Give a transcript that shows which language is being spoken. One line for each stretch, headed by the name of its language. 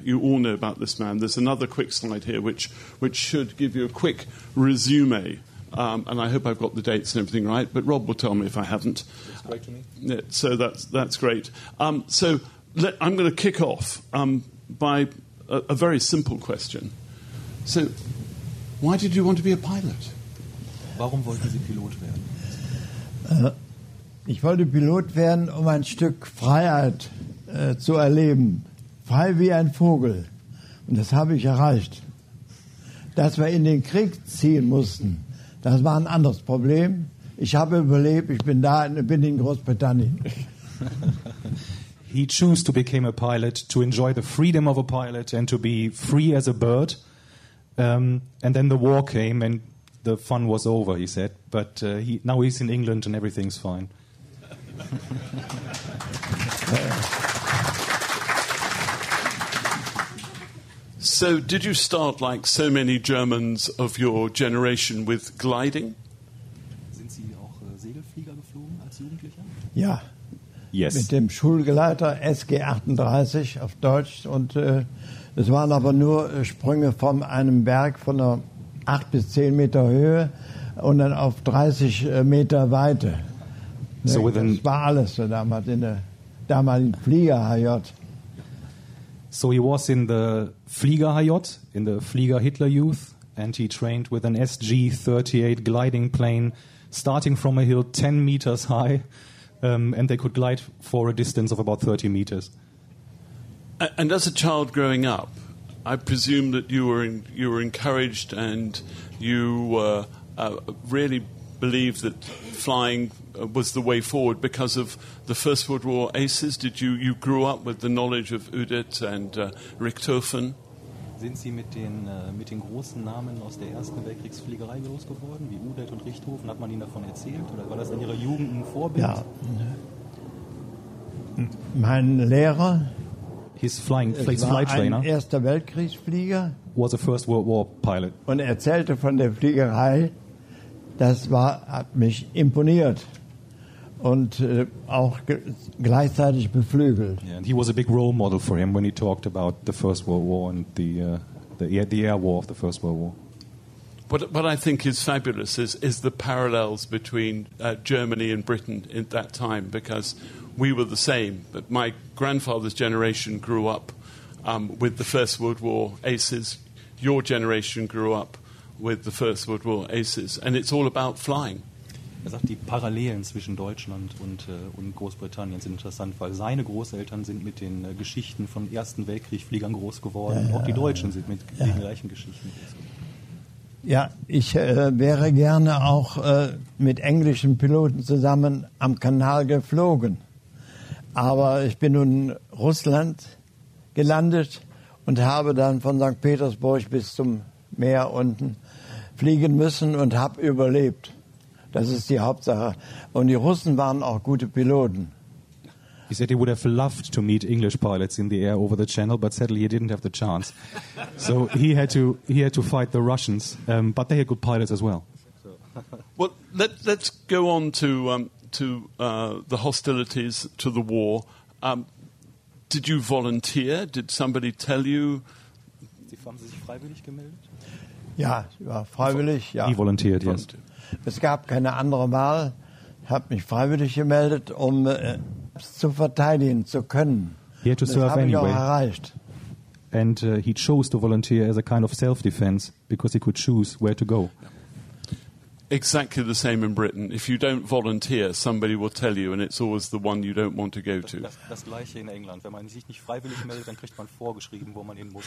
English: You all know about this man. There's another quick slide here, which should give you a quick resume. And I hope I've got the dates and everything right, but Rob will tell me if I haven't. That's great to me. So that's great. I'm going to kick off by a very simple question. So why did you want to be a pilot?
German: Warum wollten Sie Pilot werden? Ich wollte Pilot werden, um ein Stück Freiheit zu erleben. Frei wie ein Vogel. Und das habe ich erreicht. Dass wir in den Krieg ziehen mussten, das war ein anderes Problem. Ich habe überlebt, ich bin da und bin in Großbritannien.
English: He chose to become a pilot, to enjoy the freedom of a pilot and to be free as a bird. And then the war came and the fun was over, he said. But now he's in England and everything's fine. So did you start, like so many Germans of your generation, with gliding?
German: Sind Sie auch Segelflieger geflogen als Jugendlicher? Ja.
English: Yes.
German: Mit dem Schulgleiter SG-38 auf Deutsch. Und es waren aber nur Sprünge von einem Berg von einer 8 bis 10 Meter Höhe und dann auf 30 Meter Weite.
English: So within,
German: das war alles so damals in der damaligen Flieger HJ.
English: So he was in the Flieger HJ, in the Flieger Hitler Youth, and he trained with an SG-38 gliding plane starting from a hill 10 meters high, and they could glide for a distance of about 30 meters. And as a child growing up, I presume that you were encouraged and you were really believed that flying was the way forward because of the First World War aces. Did you grew up with the knowledge of Udet and Richthofen?
German: Sind Sie mit den großen Namen aus der ersten Weltkriegsfliegerei groß geworden, wie Udet und Richthofen? Hat man Ihnen davon erzählt oder war das in Ihrer Jugend ein Vorbild? Ja. Mein Lehrer,
English: his flying flight trainer,
German: war ein erster Weltkriegsflieger,
English: was a First World War pilot,
German: und erzählte von der Fliegerei. Das war, hat mich imponiert und auch gleichzeitig beflügelt.
English: Yeah, and he was a big role model for him when he talked about the First World War and the air war of the First World War. What I think is fabulous is the parallels between Germany and Britain at that time, because we were the same. But my grandfather's generation grew up with the First World War aces. Your generation grew up with the First World War aces, and it's all about flying.
German: Er sagt, die Parallelen zwischen Deutschland und Großbritannien sind interessant, weil seine Großeltern sind mit den Geschichten von Ersten Weltkriegsfliegern groß geworden. Ja, auch die Deutschen sind mit ja. den gleichen Geschichten groß geworden. Ja, ich wäre gerne auch mit englischen Piloten zusammen am Kanal geflogen. Aber ich bin nun in Russland gelandet und habe dann von St. Petersburg bis zum Meer unten fliegen müssen und habe überlebt. Das ist die Hauptsache. Und die Russen waren auch gute Piloten.
English: He said he would have loved to meet English pilots in the air over the channel, but sadly he didn't have the chance. So he had to fight the Russians, but they had good pilots as well. Well, let's go on to the hostilities, to the war. Did you volunteer? Did somebody tell you?
German: Sie haben sich freiwillig gemeldet? Ja, ich war freiwillig, ja.
English: He volunteered, yes.
German: Es gab keine andere Wahl. Ich habe mich freiwillig gemeldet, um es zu verteidigen zu können.
English: He had to serve
German: das habe
English: anyway.
German: Ich auch erreicht.
English: And he chose to volunteer as a kind of self-defense because he could choose where to go. Exactly the same in Britain. If you don't volunteer, somebody will tell you, and it's always the one you don't want to go to.
German: Das gleiche in England. Wenn man sich nicht freiwillig meldet, dann kriegt man vorgeschrieben, wo man hin muss.